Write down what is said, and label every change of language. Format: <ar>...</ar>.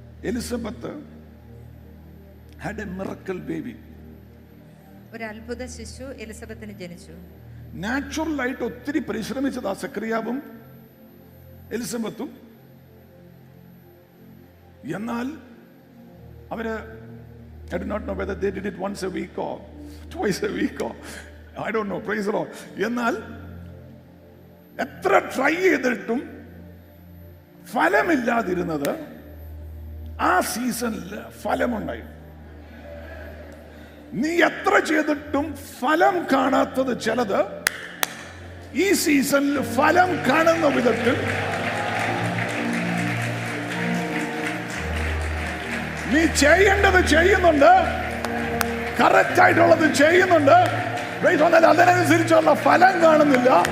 <en>Elizabeth had a miracle baby.</en> <ml>ഒരു അത്ഭുത ശിശു എലിസബത്തിന് ജനിച്ചു. നാച്ചുറലായിട്ട് ഒത്തിരി പരിശ്രമിച്ചതാ സക്രിയാവും എലിസബത്തും. എന്നാൽ അവര്</ml> <en>I do not know whether they did it once a week or twice a week or I don't know, praise the Lord.</en> <ml>എന്നാൽ എത്ര ട്രൈ ചെയ്തിട്ടും ഫലമില്ലാതിരുന്നത് ആ സീസണിൽ ഫലമുണ്ടായി. നീ എത്ര ചെയ്തിട്ടും ഫലം കാണാത്തത് ചിലത് ഈ സീസണിൽ ഫലം കാണുന്ന വിധത്തിൽ നീ ചെയ്യേണ്ടത് ചെയ്യുന്നുണ്ട്, കറക്റ്റ് ആയിട്ടുള്ളത് ചെയ്യുന്നുണ്ട്, അതിനനുസരിച്ചുള്ള ഫലം കാണുന്നില്ല.</ml>